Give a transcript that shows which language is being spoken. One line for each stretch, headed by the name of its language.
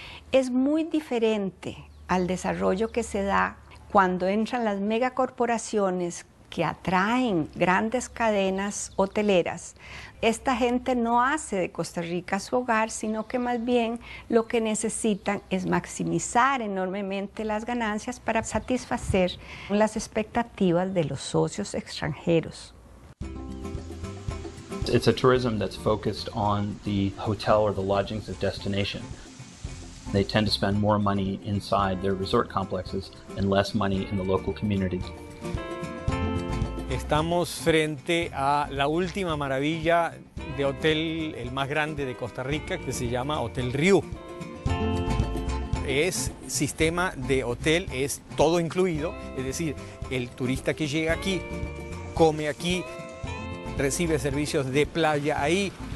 Spanish: Es muy diferente al desarrollo que se da cuando entran las megacorporaciones que atraen grandes cadenas hoteleras. Esta gente no hace de Costa Rica su hogar, sino que más bien lo que necesitan es maximizar enormemente las ganancias para satisfacer las expectativas de los socios extranjeros.
English: It's a tourism that's focused on the hotel or the lodgings of destination. They tend to spend more money inside their resort complexes and less money in the local communities.
Spanish: Estamos frente a la última maravilla de hotel, el más grande de Costa Rica, que se llama Hotel Riu. Es sistema de hotel, es todo incluido, es decir, el turista que llega aquí, come aquí, recibe servicios de playa ahí.